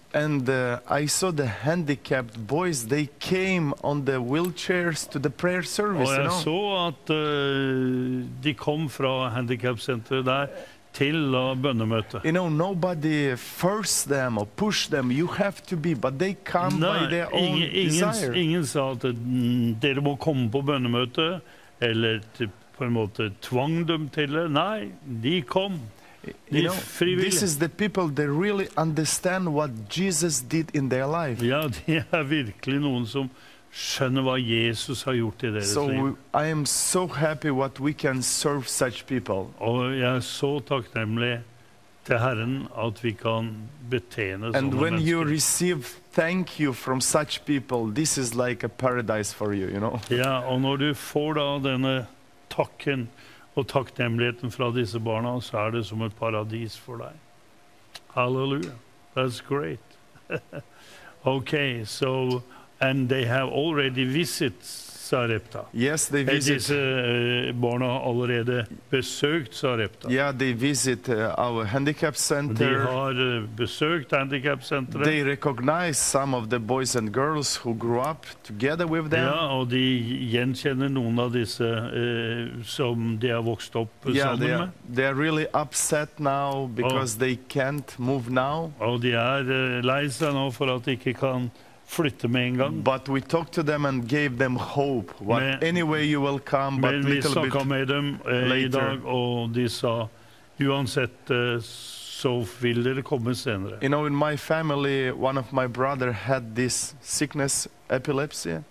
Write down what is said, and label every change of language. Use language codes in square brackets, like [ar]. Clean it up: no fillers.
[en] And I saw the handicapped boys, they came on the wheelchairs to the prayer service. [no] Og jeg [en] you know? [no] Så at de kom fra handicap-senteret der, til bønnemøte. [en] You know, nobody force them or push them. You have to be, but they come [no] Nei, [en] by their own desire. [no] Ingen sa at dere må komme på bønnemøte, eller på en måte tvang dem til det. Nei, de kom. De [en] you know, [no] frivillige. [en] This is the people that really understand what Jesus did in their life. [no] Ja, de er virkelig noen som skjønner hva Jesus har gjort i deres [en] so, [no] liv. [en] I am so happy what we can serve such people. [no] Og jeg er så takknemlig til Herren at vi kan betjene sånne mennesker. [en] And when you receive thank you from such people, this is like a paradise for you, you know? [no] Ja, og når du får da denne takken og takknemligheten fra disse barna, så er det som et paradis for deg. Halleluja. [en] That's great. Okay, so... And they have already visits Sarepta. Yes, they visit. [no] Disse barna allerede besøkt Sarepta. [en] Yeah, they visit our handicap center. [no] De har besøkt handicap centret. [en] They recognize some of the boys and girls who grew up together with them. [no] Ja, og de gjenkjenner noen av disse som de har vokst opp sammen [en] yeah, [no] med. [en] They are really upset now because they can't move now. [no] Og de lei seg nå for at de ikke kan flytte med en gang. [en] But we talked to them and gave them hope. What, anyway you will come, but little bit later. [no] Men vi snakket med dem I dag, og de sa, uansett så vil dere komme senere. [en] You know, in my family, one of my brother had this sickness, epilepsy.